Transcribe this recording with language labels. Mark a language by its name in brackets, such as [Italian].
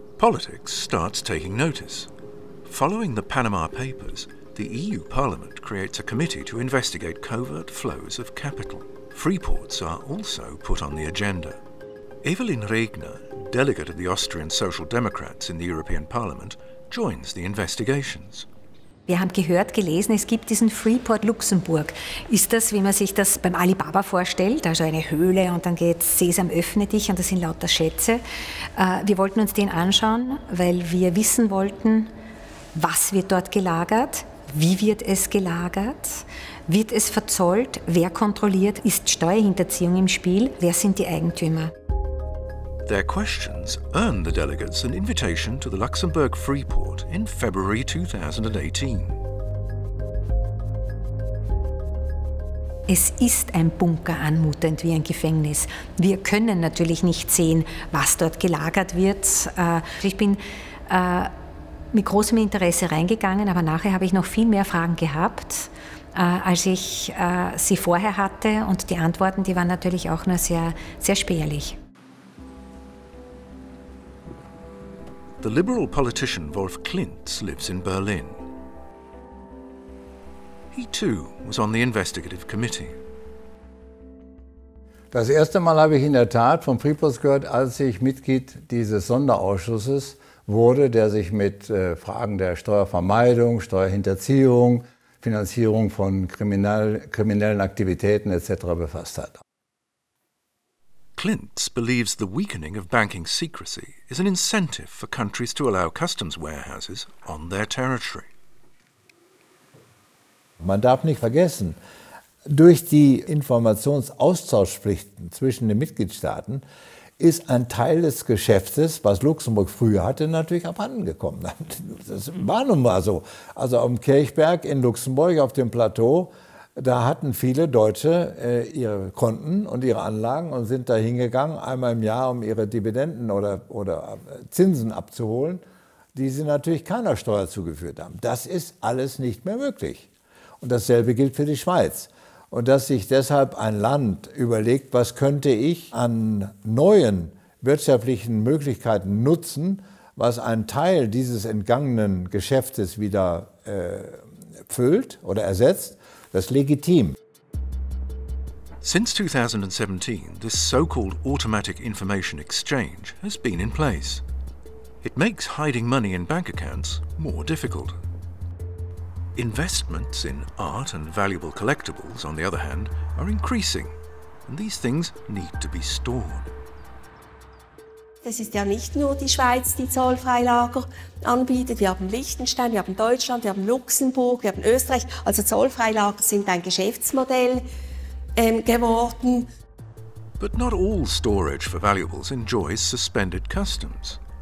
[English] Politics starts taking notice. Following the Panama Papers, the EU Parliament creates a committee to investigate covert flows of capital. Freeports are also put on the agenda. Evelyn Regner, delegate of the Austrian Social Democrats in the European Parliament, joins the investigations. [German] Wir haben gehört, gelesen, es gibt diesen Freeport Luxemburg. Ist das, wie man sich das beim Alibaba vorstellt, also eine Höhle und dann geht Sesam, öffne dich und das sind lauter Schätze. Wir wollten uns den anschauen, weil wir wissen wollten, was wird dort gelagert, wie wird es gelagert, wird es verzollt, wer kontrolliert, ist Steuerhinterziehung im Spiel, wer sind die Eigentümer? [English] Their questions earned the delegates an invitation to the Luxembourg Freeport in February 2018. [German] Es ist ein Bunker anmutend wie ein Gefängnis. Wir können natürlich nicht sehen, was dort gelagert wird. Ich bin mit großem Interesse reingegangen, aber nachher habe ich noch viel mehr Fragen gehabt, als ich sie vorher hatte. Und die Antworten, die waren natürlich auch nur sehr, sehr spärlich. [English] The liberal politician Wolf Klintz lives in Berlin. He too was on the investigative committee. [German] Das erste Mal habe ich in der Tat von Freeports gehört, als ich Mitglied dieses Sonderausschusses wurde, der sich mit Fragen der Steuervermeidung, Steuerhinterziehung, Finanzierung von kriminellen Aktivitäten etc. befasst hat. [English] Klintz believes the weakening of banking secrecy is an incentive for countries to allow customs warehouses on their territory. [German] Man darf nicht vergessen, durch die Informationsaustauschpflichten zwischen den Mitgliedstaaten ist ein Teil des Geschäftes, was Luxemburg früher hatte, natürlich abhanden gekommen. Das war nun mal so. Also am Kirchberg in Luxemburg auf dem Plateau, da hatten viele Deutsche ihre Konten und ihre Anlagen und sind da hingegangen, einmal im Jahr, um ihre Dividenden oder Zinsen abzuholen, die sie natürlich keiner Steuer zugeführt haben. Das ist alles nicht mehr möglich. Und dasselbe gilt für die Schweiz. Und dass sich deshalb ein Land überlegt, was könnte ich an neuen wirtschaftlichen Möglichkeiten nutzen, was einen Teil dieses entgangenen Geschäftes wieder füllt oder ersetzt, das ist legitim. [English] Since 2017, this so-called automatic information exchange has been in place. It makes hiding money in bank accounts more difficult. Investments in art and valuable collectibles, on the other hand, are increasing, and these things need to be stored. [German] Das ist ja nicht nur die Schweiz, die Zollfreilager anbietet. Wir haben Liechtenstein, wir haben Deutschland, wir haben Luxemburg, wir haben Österreich. Also Zollfreilager sind ein Geschäftsmodell geworden. [English] But not all storage for valuables enjoys suspended customs.